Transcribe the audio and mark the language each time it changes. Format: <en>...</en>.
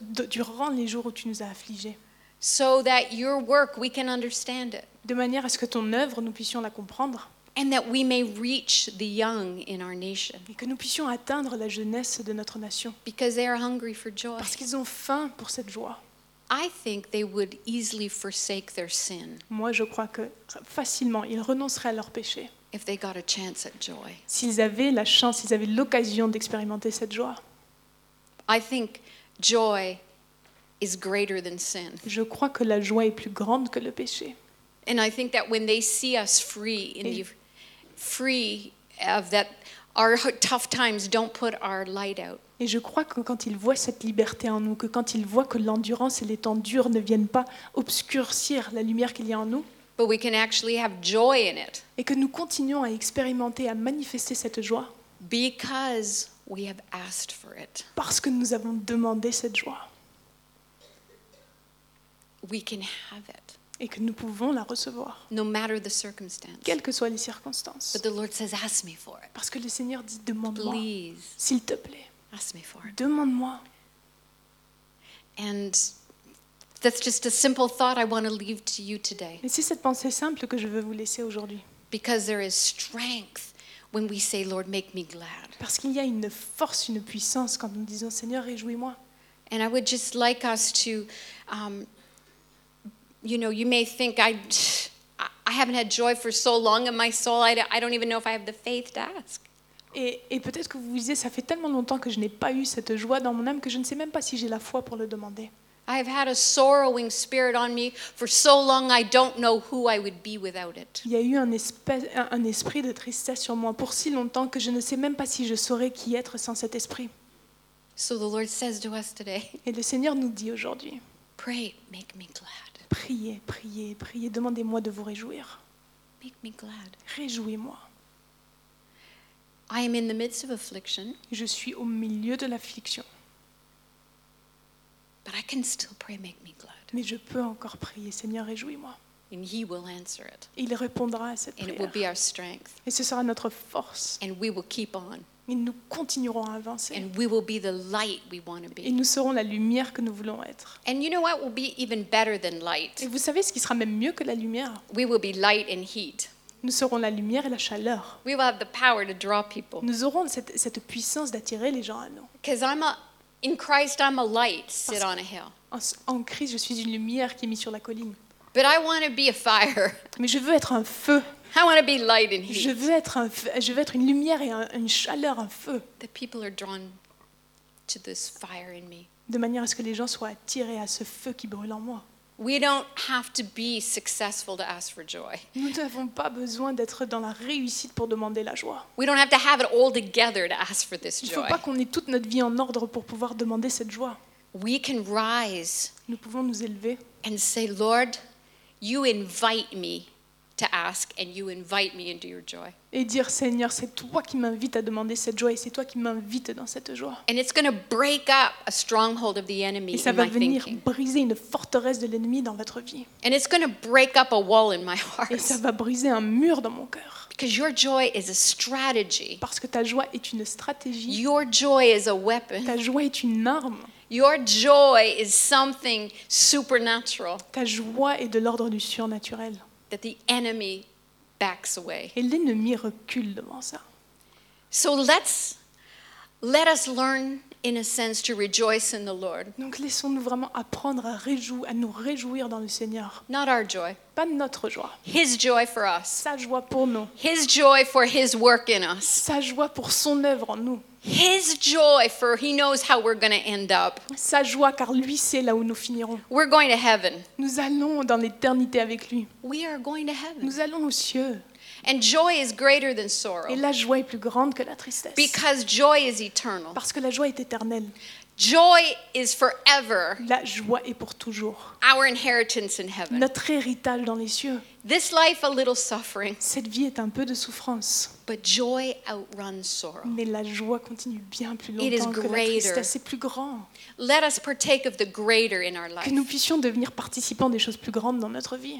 <fr>Durant les jours où tu nous as affligés.</fr> <en>So that your work we can understand it.</en> <fr>De manière à ce que ton œuvre nous puissions la comprendre.</fr> <en>And that we may reach the young in our nation.</en> <fr>Et que nous puissions atteindre la jeunesse de notre nation.</fr> <en>Because they are hungry for joy.</en> <fr>Parce qu'ils ont faim pour cette joie.</fr> <en>I think they would easily forsake their sin.</en> <fr>Moi, je crois que facilement, ils renonceraient à leur péché.</fr> <en>If they got a chance at joy.</en> <fr>S'ils avaient la chance, s'ils avaient l'occasion d'expérimenter cette joie.</fr> <en>I think joy is greater than sin.</en> <fr>Je crois que la joie est plus grande que le péché.</fr> <en>And I think that when they see us free in the free of that our tough times don't put our light out.</en> <fr>Et je crois que quand ils voient cette liberté en nous, que quand ils voient que l'endurance et les temps durs ne viennent pas obscurcir la lumière qu'il y a en nous.</fr> <en>But we can actually have joy in it.</en> <fr>Et que nous continuons à expérimenter, à manifester cette joie.</fr> <en>Because we have asked for it.</en> <fr>Parce que nous avons demandé cette joie.</fr> <en>We can have it.</en> <fr>Et que nous pouvons la recevoir.</fr> <en>No matter the circumstance.</en> <fr>Quelles que soient les circonstances.</fr> <en>But the Lord says, ask me for it.</en> <fr>Parce que le Seigneur dit, demande-moi.</fr> <en>Please.</en> <fr>S'il te plaît.</fr> <en>Ask me for it.</en> <fr>Demande-moi.</fr> <en>And that's just a simple thought I want to leave to you today.</en> <fr>Et c'est cette pensée simple que je veux vous laisser aujourd'hui.</fr> <en>Because there is strength when we say, Lord, make me glad.</en> <fr>Parce qu'il y a une force, une puissance quand nous disons, Seigneur, réjouis-moi.</fr> <en>And I would just like us to, you know, you may think I haven't had joy for so long in my soul. I don't even know if I have the faith to ask.</en> <fr>Et peut-être que vous vous disiez, ça fait tellement longtemps que je n'ai pas eu cette joie dans mon âme que je ne sais même pas si j'ai la foi pour le demander.</fr> <en>I have had a sorrowing spirit on me for so long. I don't know who I would be without it.</en> <fr>Il y a eu un esprit de tristesse sur moi pour si longtemps que je ne sais même pas si je saurais qui être sans cet esprit.</fr> <en>So the Lord says to us today.</en> <fr>Et le Seigneur nous dit aujourd'hui.</fr> <en>Pray, make me glad.</en> <fr>Priez, priez, priez. Demandez-moi de vous réjouir.</fr> <en>Make me glad.</en> <fr>Réjouis-moi.</fr> <en>I am in the midst of affliction.</en> <fr>Je suis au milieu de l'affliction.</fr> <en>But I can still pray, make me glad.</en> <fr>Mais je peux encore prier, Seigneur, réjouis-moi.</fr> <en>And he will answer it.</en> <fr>Il répondra à cette prière.</fr> <en>And it will be our strength.</en> <fr>Et ce sera notre force.</fr> <en>And we will keep on.</en> <fr>Et nous continuerons à avancer.</fr> <en>And we will be the light we want to be.</en> <fr>Et nous serons la lumière que nous voulons être.</fr> <en>And you know what will be even better than light?</en> <fr>Et vous savez ce qui sera même mieux que la lumière?</fr> <en>We will be light and heat.</en> <fr>Nous serons la lumière et la chaleur.</fr> <en>We will have the power to draw people.</en> <fr>Nous aurons cette puissance d'attirer les gens à nous.</fr> <en>Because I'm a In Christ, I'm a light sit on a hill.</en> <fr>En Christ, je suis une lumière qui est mise sur la colline.</fr> <en>But I want to be a fire.</en> <fr>Mais je veux être un feu.</fr> <en>I want to be light and heat.</en> <fr>Je veux être un feu. Je veux être une lumière et une chaleur, un feu.</fr> <en>That people are drawn to this fire in me.</en> <fr>De manière à ce que les gens soient attirés à ce feu qui brûle en moi.</fr> <en>We don't have to be successful to ask for joy.</en> <fr>Nous n'avons pas besoin d'être dans la réussite pour demander la joie.</fr> <en>We don't have to have it all together to ask for this joy.</en> <fr>Il ne faut pas qu'on ait toute notre vie en ordre pour pouvoir demander cette joie.</fr> <en>We can rise.</en> <fr>Nous pouvons nous élever.</fr> <en>And say, Lord, you invite me to ask, and you invite me into your joy.</en> <fr>Et dire, Seigneur, c'est toi qui m'invites à demander cette joie, et c'est toi qui m'invites dans cette joie.</fr> <en>And it's going to break up a stronghold of the enemy in my thinking.</en> <fr>Et ça va venir briser une forteresse de l'ennemi dans votre vie.</fr> <en>And it's going to break up a wall in my heart.</en> <fr>Et ça va briser un mur dans mon cœur.</fr> <en>Because your joy is a strategy.</en> <fr>Parce que ta joie est une stratégie.</fr> <en>Your joy is a weapon.</en> <fr>Ta joie est une arme.</fr> <en>Your joy is something supernatural.</en> <fr>Ta joie est de l'ordre du surnaturel.</fr> <en>That the enemy backs away.</en> <fr>Et l'ennemi recule devant ça.</fr> <en>So let us learn in a sense to rejoice in the Lord.</en> <fr>Donc laissons-nous vraiment apprendre à nous réjouir dans le Seigneur.</fr> <en>Not our joy.</en> <fr>Pas notre joie.</fr> <en>His joy for us.</en> <fr>Sa joie pour nous.</fr> <en>His joy for his work in us.</en> <fr>Sa joie pour son œuvre en nous.</fr> <en>His joy for he knows how we're going to end up.</en> <fr>Sa joie car lui sait là où nous finirons.</fr> <en>We're going to heaven.</en> <fr>Nous allons dans l'éternité avec lui.</fr> <en>We are going to heaven.</en> <fr>Nous allons aux cieux.</fr> <en>And joy is greater than sorrow.</en> <fr>Et la joie est plus grande que la tristesse.</fr> <en>Because joy is eternal.</en> <fr>Parce que la joie est éternelle.</fr> <en>Joy is forever.</en> <fr>La joie est pour toujours.</fr> <en>Our inheritance in heaven.</en> <fr>Notre héritage dans les cieux.</fr> <en>This life a little suffering.</en> <fr>Cette vie est un peu de souffrance.</fr> <en>But joy outruns sorrow.</en> <fr>Mais la joie continue bien plus longtemps</fr> <en>It is greater.</en> <fr>Que la tristesse. C'est plus grand.</fr> <en>Let us partake of the greater in our life.</en> <fr>Que nous puissions devenir participants des choses plus grandes dans notre vie.</fr>